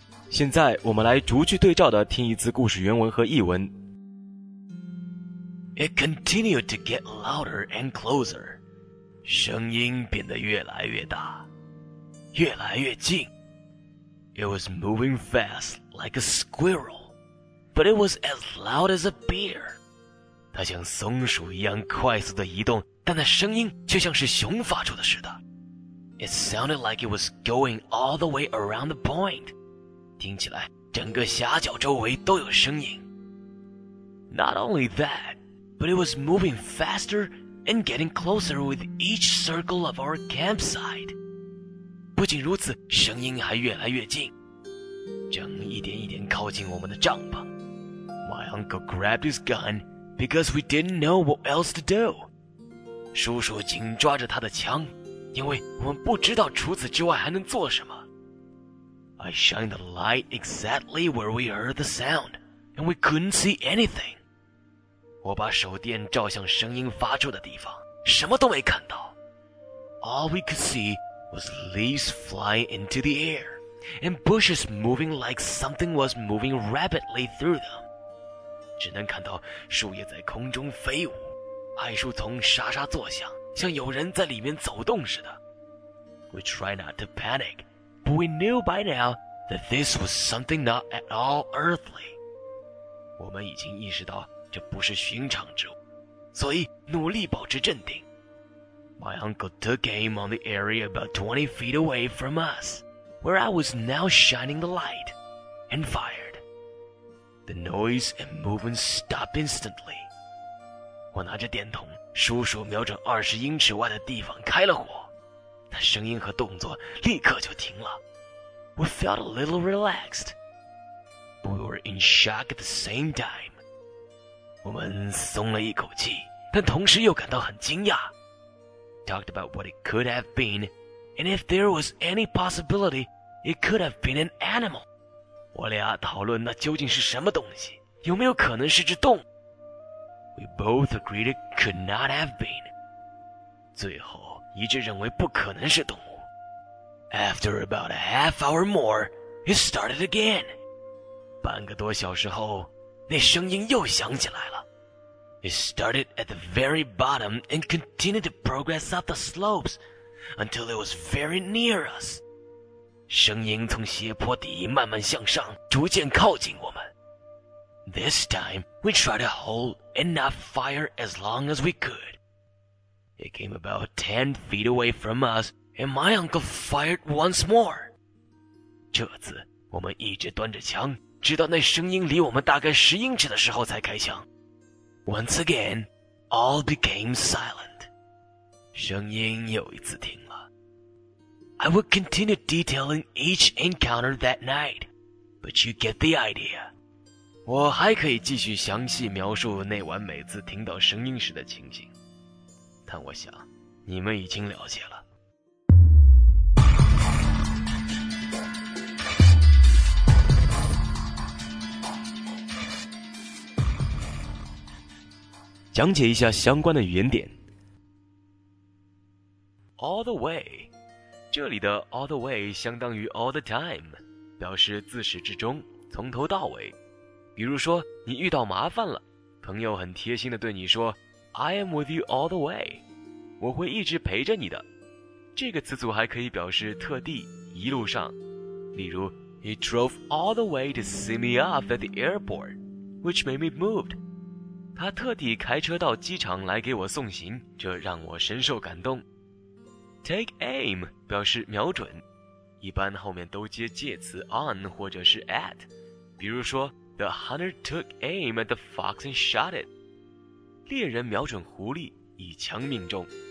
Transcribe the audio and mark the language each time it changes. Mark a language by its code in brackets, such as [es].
[zh] 现在我们来逐句对照的听一次故事原文和译文。 [en] It continued to get louder and closer. [zh] 声音变得越来越大，越来越近。 [en] It was moving fast like a squirrel. But it was as loud as a bear. [zh] 它像松鼠一样快速地移动，但那声音却像是熊发出的似的。 [en] It sounded like it was going all the way around the point. [zh] 听起来，整个峡角周围都有声音。 [en] Not only that, but it was moving faster and getting closer with each circle of our campsite. [zh] 不仅如此，声音还越来越近，正一点一点靠近我们的帐篷。 [en] My uncle grabbed his gun because we didn't know what else to do. [zh] 叔叔紧抓着他的枪，因为我们不知道除此之外还能做什么。 [en] I shined the light exactly where we heard the sound, and we couldn't see anything. [zh] 我把手电照向声音发出的地方，什么都没看到。 [en] All we could see was leaves flying into the air, and bushes moving like something was moving rapidly through them. [zh] 只能看到树叶在空中飞舞，矮树丛沙沙作响，像有人在里面走动似的。 [en] We tried not to panic, but we knew by now that this was something not at all earthly. [zh] 我们已经意识到这不是寻常之物，所以努力保持镇定。 [en] My uncle took aim on the area about 20 feet away from us, where I was now shining the light, and fired. The noise and movement stopped instantly. [zh] 我拿着电筒，叔叔瞄准20英尺外的地方开了火，那声音和动作立刻就停了。 [en] We felt a little relaxed, but we were in shock at the same time. [zh] 我们松了一口气，但同时又感到很惊讶。 [en] Talked about what it could have been, and if there was any possibility, it could have been an animal. [zh] 我俩讨论那究竟是什么东西，有没有可能是只动物。 [en] We both agreed it could not have been. [zh] 最后一致认为不可能是动物。 [en] After about a half hour more, it started again. [zh] 半个多小时后，那声音又响起来了。 [en] It started at the very bottom and continued to progress up the slopes until it was very near us. [zh] 声音从斜坡底慢慢向上，逐渐靠近我们。 [en] This time, we tried to hold and not fire as long as we could. It came about 10 feet away from us, and my uncle fired once more. [zh] 这次我们一直端着枪，直到那声音离我们大概10英尺的时候才开枪。 [en] Once again, all became silent. [zh] 声音又一次停了。 [en] I would continue detailing each encounter that night, but you get the idea. [zh] 我还可以继续详细描述那晚每次听到声音时的情形，但我想你们已经了解了。讲解一下相关的语言点。 All the way， 这里的 all the way 相当于 all the time， 表示自始至终，从头到尾。比如说，你遇到麻烦了，朋友很贴心地对你说 ， [en] I am with you all the way， [zh] 我会一直陪着你的。这个词组还可以表示特地，一路上。例如 [en] ，He drove all the way to see me off at the airport， which made me moved。 [zh] 他特地开车到机场来给我送行，这让我深受感动。 Take aim 表示瞄准，一般后面都接介词 on 或者是 at， 比如说 [en] The hunter took aim at the fox and shot it， [zh] 猎人瞄准狐狸，以枪命中。